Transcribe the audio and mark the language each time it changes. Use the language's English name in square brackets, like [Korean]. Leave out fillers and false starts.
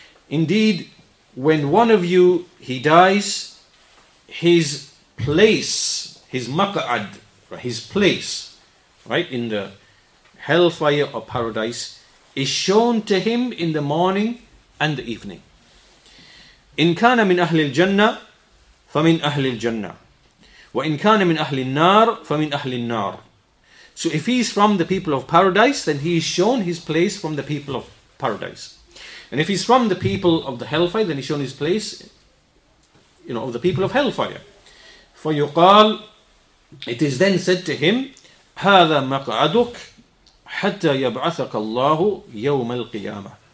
[English] Indeed, when one of you, he dies, his place, his maq'ad, his place, right, in the hellfire or paradise, is shown to him in the morning and the evening. [Arabic] إن كان من أهل الجنة فمن أهل الجنة وإن كان من أهل النار فمن أهل النار. [English] So if he's from the people of paradise, then he is shown his place from the people of paradise. And if he's from the people of the hellfire, then he's shown his place, you know, of the people of hellfire. For yuqal, it is then said to him, [Arabic] هَذَا مَقْعَدُكَ حَتَّى يَبْعَثَكَ اللَّهُ يَوْمَ الْقِيَامَةِ.